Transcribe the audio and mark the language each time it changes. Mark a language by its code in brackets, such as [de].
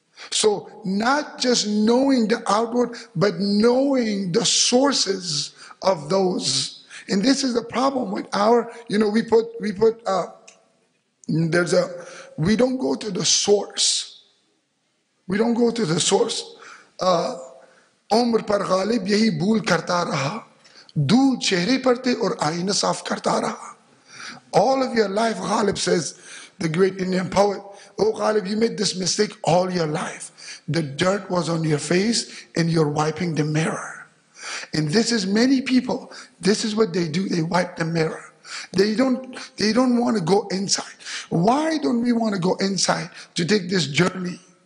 [en] So not just knowing the outward, but knowing the sources of those. And this is the problem with our, you know, we don't go to the source. We don't go to the source. [ur] عمر پر غالب یہی بھول کرتا رہا دھول چہرے پر تھے اور آئینہ صاف کرتا رہا. [en] All of your life, Ghalib says, the great Indian poet, oh Ghalib, you made this mistake all your life. The dirt was on your face and you're wiping the mirror. And this is many people, this is what they do, they wipe the mirror. They don't want to go inside. Why don't we want to go inside to take this journey?